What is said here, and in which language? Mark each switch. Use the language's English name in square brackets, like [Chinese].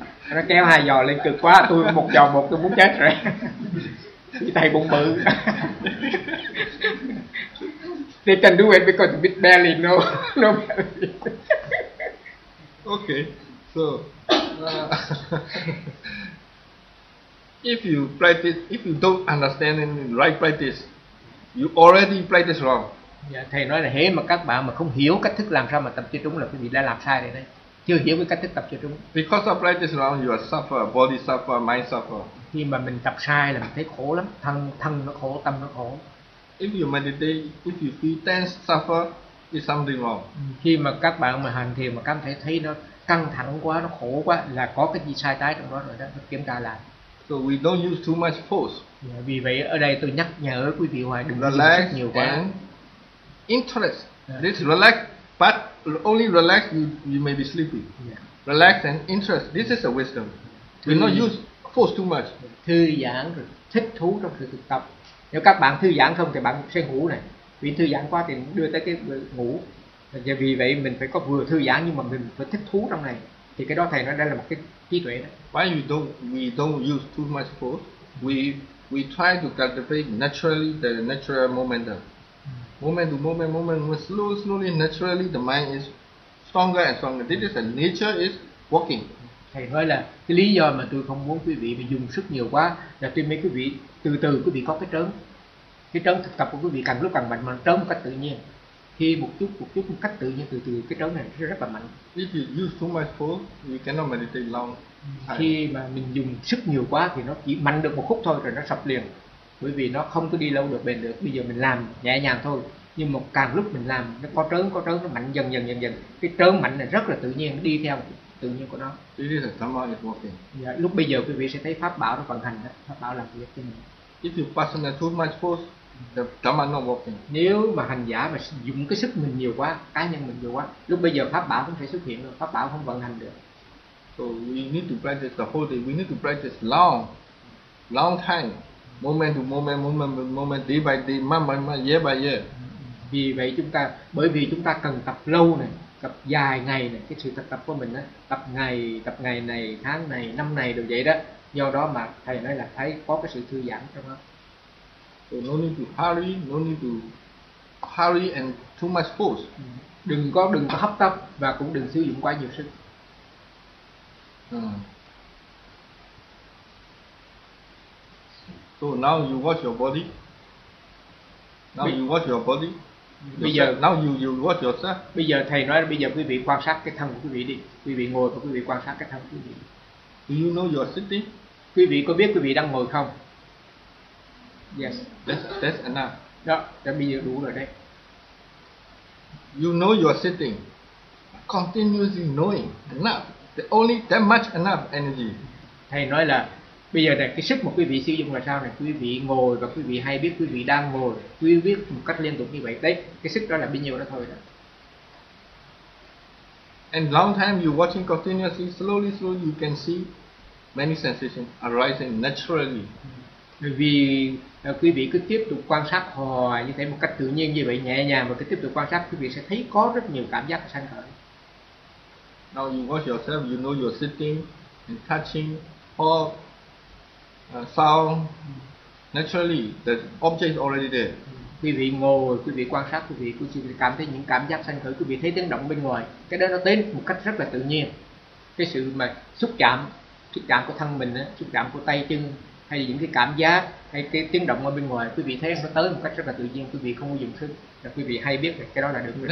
[Vietnamese] Nó kéo hai giò lên cực quá. Tôi một giò một tôi muốn chết rồi. Cái tay bụng bự. [English] They can do it because with belly, no belly. Okay, so if you practice, if you don't understand in right practice, you already practice wrong. [Vietnamese] Yeah, thầy nói là thế mà các bạn mà không hiểu cách thức làm sao mà tập cho đúng là quý vị đã làm sai rồi đấy. Chưa hiểu cái cách thức tập cho đúng. [English] Because of practice wrong, you are suffer, body suffer, mind suffer. [Vietnamese] Khi mà mình tập sai là mình thấy khổ lắm, thân nó khổ, tâm nó khổ. [English] If you meditate, if you feel tense, suffer, it's something wrong. [Vietnamese] Khi mà các bạn mà hành thiền mà cảm thấy nó căng thẳng quá, nó khổ quá là có cái gì sai trái trong đó rồi đó, kiểm tra lại. [English] So we don't use too much force. [Vietnamese] Yeah, vì vậy ở đây tôi nhắc nhở quý vị hoài đừng dùng sức nhiều quá. [English] And interest. This relax, but only relax you may be sleepy. Yeah. Relax and interest. This is a wisdom. We not use force too much. [Vietnamese] Thư giãn rồi thích thú trong sự thực tập. Nếu các bạn thư giãn không thì bạn sẽ ngủ này. Vì thư giãn quá thì đưa tới cái ngủ. Và vì vậy mình phải có vừa thư giãn nhưng mà mình phải thích thú trong này. Thì cái đó thầy nói đây là một cái trí tuệ đó. [English] Why we don't use too much force? We try to cultivate naturally the natural momentum. Moment to moment, moment to moment, slowly, naturally the mind is stronger and stronger. This is the nature is working. [Vietnamese] Thầy nói là cái lý do mà tôi không muốn quý vị dùng sức nhiều quá là tôi mấy quý vị từ từ quý vị có cái trớn. Cái trớn thực tập của quý vị càng lúc càng mạnh mà trớn một cách tự nhiên. Khi một chút một cách tự nhiên từ từ cái trớn này sẽ rất là mạnh. [English] If you use too much force, you cannot meditate long. [Vietnamese] Khi mà mình dùng sức nhiều quá thì nó chỉ mạnh được một khúc thôi rồi nó sập liền. Bởi vì nó không có đi lâu được bền được. Bây giờ mình làm nhẹ nhàng thôi. Nhưng mà càng lúc mình làm nó có trớn nó mạnh dần dần. Cái trớn mạnh này rất là tự nhiên, nó đi theo tự nhiên của nó. [English] This is a dhamma is working. [Vietnamese] Dạ, lúc bây giờ quý vị sẽ thấy pháp bảo nó vận hành đó, pháp bảo làm việc cho mình. [English] If you personal too much force, the dhamma not working. [Vietnamese] Nếu mà hành giả mà dùng cái sức mình nhiều quá, cá nhân mình nhiều quá, lúc bây giờ pháp bảo không thể xuất hiện được, pháp bảo không vận hành được. [English] So we need to practice the whole day. We need to practice long time, moment to moment, moment to moment, day by day, month by month, year by year. [Vietnamese] Vì vậy chúng ta cần tập lâu này, tập dài ngày này, cái sự tập của mình á, tập ngày này, tháng này, năm này đều vậy đó. Do đó mà thầy nói là thấy có cái sự thư giãn trong đó. [English] So no need to hurry and too much force. [Vietnamese] Đừng có hấp tấp và cũng đừng sử dụng quá nhiều sức. [English] So now you watch your body. [Vietnamese] Bây giờ [English] now you watch yourself. [Vietnamese] Bây giờ thầy nói là bây giờ quý vị quan sát cái thân của quý vị đi. Quý vị ngồi và quý vị quan sát cái thân của quý vị. [English] Do you know you're sitting? [Vietnamese] Quý vị có biết quý vị đang ngồi không? [English] Yes. That's enough. [Vietnamese] Đó, đã bây giờ đủ rồi đấy. [English] You know you're sitting. Continuously knowing enough. The only that much enough energy. [Vietnamese] Thầy nói là bây giờ này, cái sức mà quý vị sử dụng là sao này, quý vị ngồi và quý vị hay biết quý vị đang ngồi, quý vị biết một cách liên tục như vậy đấy, cái sức đó là bao nhiêu đó thôi đó. [English] And long time you watching continuously, slowly you can see many sensations arising naturally. [Vietnamese] Vì quý vị cứ tiếp tục quan sát hoài như thế một cách tự nhiên như vậy, nhẹ nhàng và cứ tiếp tục quan sát, quý vị sẽ thấy có rất nhiều cảm giác sanh khởi. [English] Now you watch yourself, you know you're sitting and touching all sound naturally, the object is already there. [Vietnamese] Quý vị ngồi, quý vị quan sát, quý vị cảm thấy những cảm giác sanh khởi, quý vị thấy tiếng động bên ngoài, cái đó nó đến một cách rất là tự nhiên. Cái sự mà xúc cảm của thân mình, xúc cảm của tay chân, hay những cái cảm giác, hay cái tiếng động ở bên ngoi, quý vị thấy nó tới một cách rất là tự nhiên, quý vị không có dùng thức, là quý vị hay biết cái đó là được.